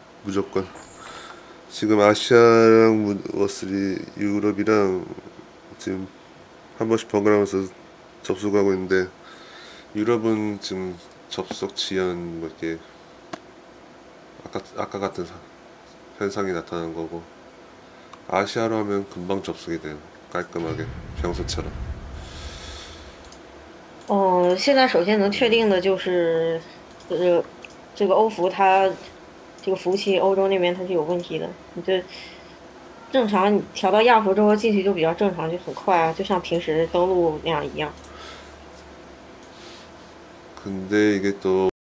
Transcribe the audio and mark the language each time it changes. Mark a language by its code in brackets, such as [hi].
[ko] 무조건 지금 아시아랑 워스리 유럽이랑 지금 한 번씩 번갈아가면서 접속하고 있는데, 유럽은 지금 접속 지연 뭐 이렇게 아까 같은 현상이 나타난 거고, 아시아로 하면 금방 접속이 돼요. 깔끔하게 평소처럼. [zh] 现在首先能确定的就是，这个欧服它这个服务器欧洲那边它是有问题的。你这正常，你调到亚服之后进去就比较正常，就很快啊，就像平时登录那样一样。 [ko] 근데 이게 또